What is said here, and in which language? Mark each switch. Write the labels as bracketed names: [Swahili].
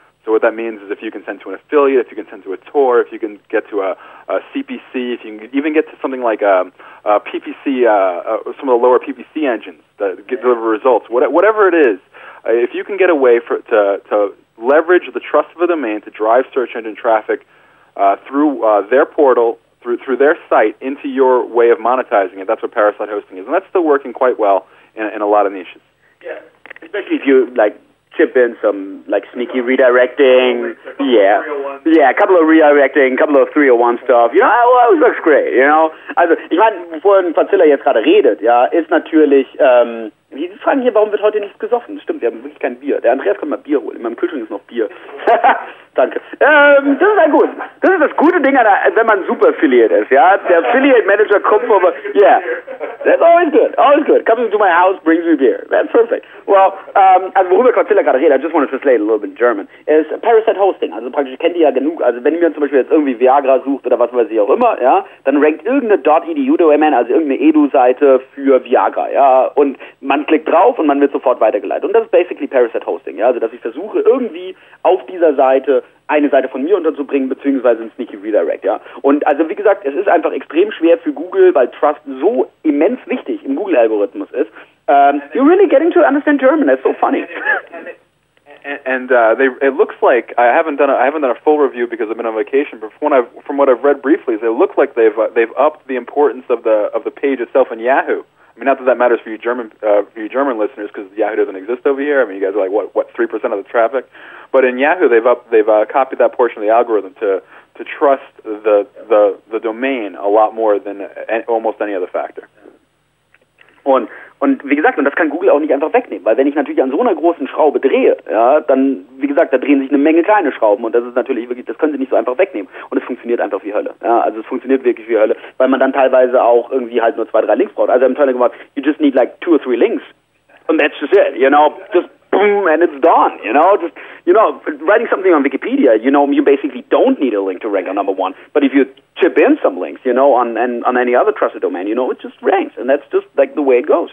[English] So what that means is if you can send to an affiliate, if you can send to a tour, if you can get to a CPC, if you can even get to something like a PPC, some of the lower PPC engines that deliver results, whatever it is, if you can get a way to leverage the trust of a domain to drive search engine traffic through their portal, through their site, into your way of monetizing it. That's what Parasite hosting is, and that's still working quite well in a lot of niches. Yeah, especially if you like chip in some like sneaky redirecting. A couple of redirecting, a couple of 301 stuff. You know, it always looks great. You know, [German] also ich meine, wovon Fazilla jetzt gerade redet, ja, ist natürlich. Sie fragen hier, warum wird heute nicht gesoffen? Stimmt, wir haben wirklich kein Bier. Der Andreas kann mal Bier holen. In meinem Kühlschrank ist noch Bier. Danke. Das ist ein gut. Das ist das gute Ding, wenn man super affiliate ist, ja? Der Affiliate Manager kommt vorbei. [English] Yeah. That's always good. Always good. Comes into my house, brings me beer. That's perfect. Well, [German] also worüber Quartilla gerade redet, [English] I just want to translate a little bit in German, is Parasite Hosting. [German] Also praktisch kennt ihr ja genug. Also wenn jemand zum Beispiel jetzt irgendwie Viagra sucht oder was weiß ich auch immer, ja, dann rankt irgendeine .edu Domain, also irgendeine Edu-Seite für Viagra, ja? Und man klickt drauf und man wird sofort weitergeleitet. Und das ist basically Parasite Hosting, ja? Also dass ich versuche, irgendwie auf dieser Seite eine Seite von mir unterzubringen, beziehungsweise ein Sneaky Redirect, ja. Und also wie gesagt, es ist einfach extrem schwer für Google, weil Trust so immens wichtig im Google-Algorithmus ist. [English] You're really getting to understand German, that's so funny. It looks like I haven't done a full review because I've been on vacation. But from what I've read briefly, it looks like they've upped the importance of the page itself in Yahoo. I mean, not that matters for you German listeners, because Yahoo doesn't exist over here. I mean, you guys are like what 3% of the traffic, but in Yahoo they've copied that portion of the algorithm to trust the domain a lot more than almost any other factor. [German] Und wie gesagt, und das kann Google auch nicht einfach wegnehmen, weil wenn ich natürlich an so einer großen Schraube drehe, ja, dann, wie gesagt, da drehen sich eine Menge kleine Schrauben und das ist natürlich wirklich, das können sie nicht so einfach wegnehmen. Und es funktioniert einfach wie Hölle. Ja, also es funktioniert wirklich wie Hölle, weil man dann teilweise auch irgendwie halt nur 2-3 Links braucht. Also im Turner gemacht, [English] you just need like 2 or 3 Links and that's just it, you know, just boom and it's done, you know. Just, you know, writing something on Wikipedia, you know, you basically don't need a link to rank on number one, but if you chip in some links, you know, on any other trusted domain, you know, it just ranks, and that's just like the way it goes.